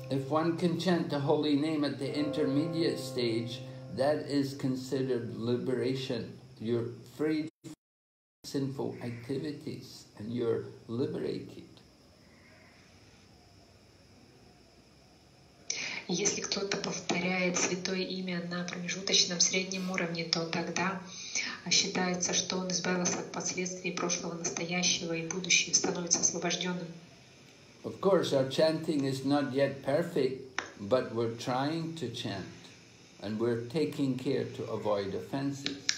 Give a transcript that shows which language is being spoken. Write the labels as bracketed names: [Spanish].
[English] If one can chant the holy name at the intermediate stage, that is considered liberation. You're free from sinful activities and you're liberated. [Russian] Если кто-то повторяет святое имя на промежуточном среднем уровне, то тогда считается, что он избавился от последствий прошлого, настоящего и будущего, становится освобожденным. [English] Of course, our chanting is not yet perfect, but we're trying to chant, and we're taking care to avoid offenses.